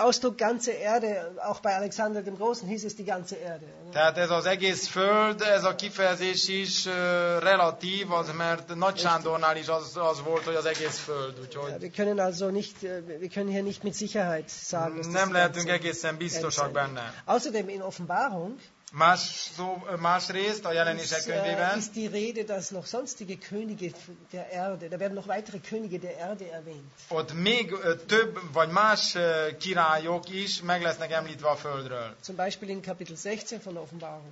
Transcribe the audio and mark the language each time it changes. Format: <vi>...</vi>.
<de>Der Ausdruck ganze Erde, auch bei Alexander dem Großen hieß es die ganze Erde.</de> <hu>Tehát ez az egész föld, ez a kifejezés is relatív, az mert Nagy Sándornál is az volt, hogy az egész föld. Úgyhogy</hu> <de>ja, wir können hier nicht mit Sicherheit sagen,</de> <hu>nem lehetünk egészen biztosak benne.</hu> <de>Außerdem in Offenbarung</de> <hu>Másrészt a Jelenések könyvében.</hu> <de>Ist die Rede, dass noch sonstige Könige der Erde, da werden noch weitere Könige der Erde erwähnt.</de> <hu>Ott még több vagy más királyok is meg lesznek említve a Földről.</hu> <de>Zum Beispiel in Kapitel 16 von Offenbarung.</de>